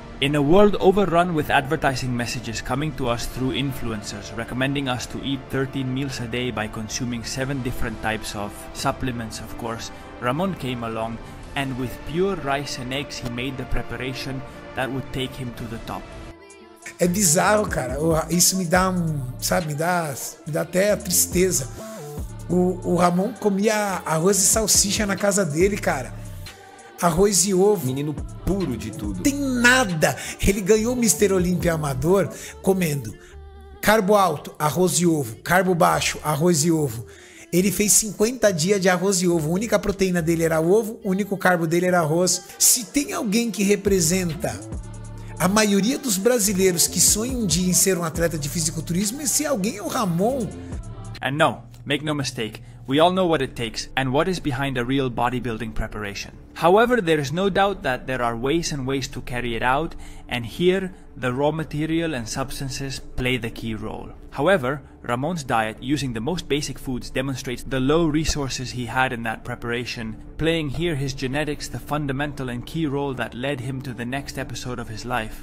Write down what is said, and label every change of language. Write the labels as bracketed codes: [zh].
[en] In a world overrun with advertising messages coming to us through influencers recommending us to eat 13 meals a day by consuming 7 different types of supplements, of course, Ramon came along and with pure rice and eggs he made the preparation that would take him to the top. [pt] É bizarro, cara. Isso me dá um, sabe, me dá até a tristeza. O Ramon comia arroz e salsicha na casa dele, cara. Arroz e ovo. Menino puro de tudo. Tem nada. Ele ganhou o Mr. Olympia Amador comendo carbo alto, arroz e ovo. Carbo baixo, arroz e ovo. Ele fez 50 dias de arroz e ovo. A única proteína dele era ovo, o único carbo dele era arroz. Se tem alguém que representa a maioria dos brasileiros que sonham um dia em ser um atleta de fisiculturismo, esse alguém é o Ramon. [en] And no, make no mistake, we all know what it takes and what is behind a real bodybuilding preparation. However, there is no doubt that there are ways and ways to carry it out, and here the raw material and substances play the key role. However, Ramon's diet using the most basic foods demonstrates the low resources he had in that preparation, playing here his genetics the fundamental and key role that led him to the next episode of his life.